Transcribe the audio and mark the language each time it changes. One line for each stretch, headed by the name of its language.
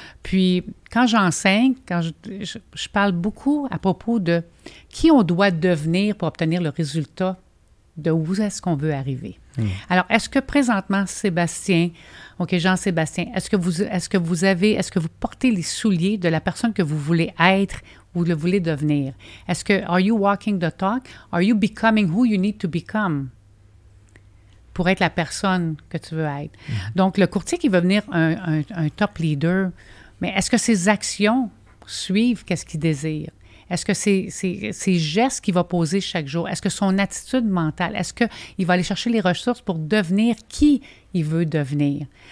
French: Puis, quand j'enseigne, quand je parle beaucoup à propos de qui on doit devenir pour obtenir le résultat de où est-ce qu'on veut arriver. Alors, est-ce que présentement, Sébastien, OK, Jean-Sébastien, est-ce que vous portez les souliers de la personne que vous voulez être ou le voulez devenir? Est-ce que,
English: are you walking the talk? Are you becoming who you need to become?
French: Pour être la personne que tu veux être. Donc, le courtier qui veut venir un top leader, mais est-ce que ses actions suivent qu'est-ce qu'il désire? Est-ce que ses gestes qu'il va poser chaque jour? Est-ce que son attitude mentale? Est-ce qu'il va aller chercher les ressources pour devenir qui il veut devenir?